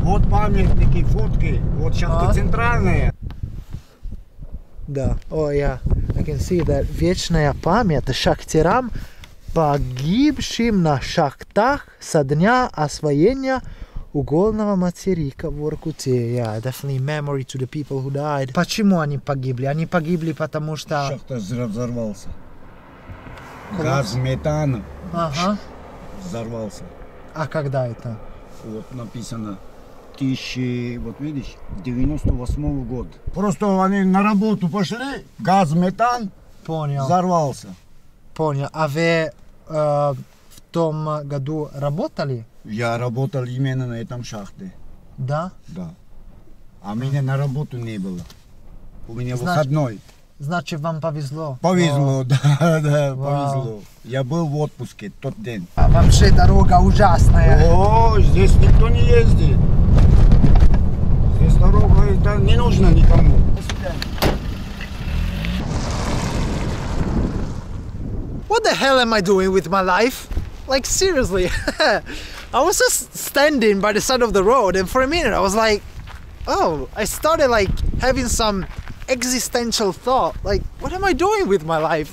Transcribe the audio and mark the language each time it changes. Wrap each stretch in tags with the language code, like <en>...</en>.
<ru>Вот памятники, фотки. Вот сейчас центральные.</ru> <en>Да, I can see that.</en> <ru>Вечная память шахтерам, погибшим на шахтах со дня освоения угольного материка в Воркуте.</ru> <en>Yeah, definitely memory to the people who died.</en> <ru>Почему они погибли? Они погибли потому что шахта взорвался. Газ, метан. Ага. Взорвался. А когда это? Вот написано. Вот видишь, 98 год. Просто они на работу пошли, газ, метан, понял, взорвался. Понял. А вы в том году работали? Я работал именно на этом шахте. Да? Да. А меня на работу не было. У меня выходной. Значит, вам повезло. Повезло, да, повезло. Я был в отпуске тот день. А вообще дорога ужасная. О, здесь никто не ездит. Здесь дорога, это не нужно никому.</ru> <en>What the hell am I doing with my life? Like, seriously. I was just standing by the side of the road and for a minute I was like, oh, I started like having some existential thought, like, what am I doing with my life?</en>